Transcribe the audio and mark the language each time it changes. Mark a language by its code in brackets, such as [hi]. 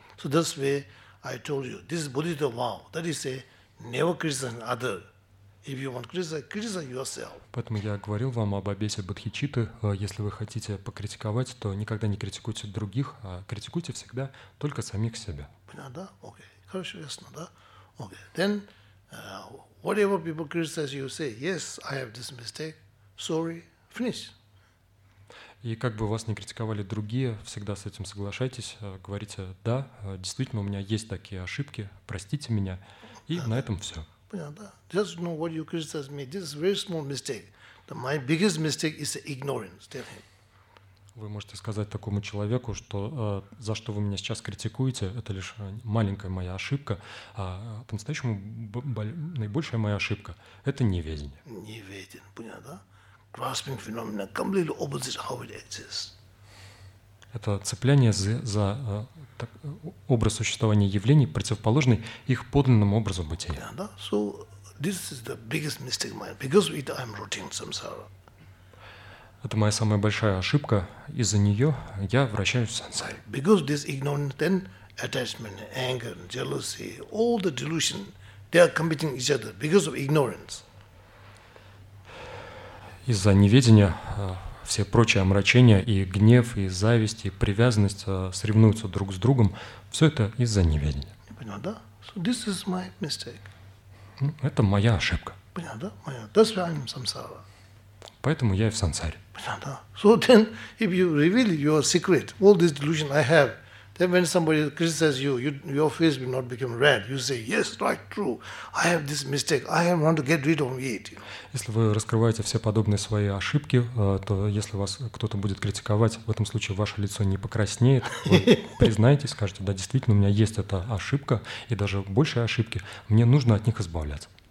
[en] So that's why I told you, this is Buddhist vow. That is, say, never criticize other. If you want criticize, criticize yourself. [ru] Поэтому я говорил вам об обете Бодхичитты. Если вы хотите покритиковать, то никогда не критикуйте других, а критикуйте всегда только самих себя. Понятно, да? Окей. Хорошо, ясно, да? Окей. [en] Then, whatever people criticize you, say, yes, I have this mistake, sorry, finish. [ru] И как бы вас ни критиковали другие, всегда с этим соглашайтесь, говорите «да, действительно, у меня есть такие ошибки, простите меня», и на этом все. Понятно, да. [en] Just know what you criticize me. This is a very small mistake. My biggest mistake is ignorance. Tell him. [ru] Вы можете сказать такому человеку, что за что вы меня сейчас критикуете, это лишь маленькая моя ошибка, а по-настоящему наибольшая моя ошибка – это неведение. Неведение, понятно, да? [en] Grasping phenomena completely opposite how it exists. [ru] Это цепляние за образ существования явлений, противоположный их подлинному образу бытия. [en] Yeah, [ru] да? [en] So this is the biggest mistake of mine. Because of it, I'm rotting samsara. [ru] Это моя самая большая ошибка. Из-за нее я вращаюсь в сансаре. [en] Because of this ignorance, then attachment, anger, jealousy, all the delusion, they are competing each other because of ignorance. [ru] Из-за неведения все прочие омрачения и гнев, и зависть, и привязанность соревнуются друг с другом. Все это из-за неведения. Понятно, да? [en] So this is my mistake. [ru] Ну, это моя ошибка. Понятно, да? Моя. [en] That's why I'm samsara. [ru] Поэтому я и в сансаре. Понятно, да? [en] So then, if you reveal your secret, all this delusion I have, Then when somebody criticizes you, your face will not become red. You say, yes, right, true. I have this mistake. I want to get rid of it. [ru] Если вы раскрываете все подобные свои ошибки, то если вас кто-то будет критиковать, в этом случае ваше лицо не покраснеет. Вы признаетесь, скажете, да, действительно, у меня есть эта ошибка, и даже большие ошибки. Мне нужно от них избавляться.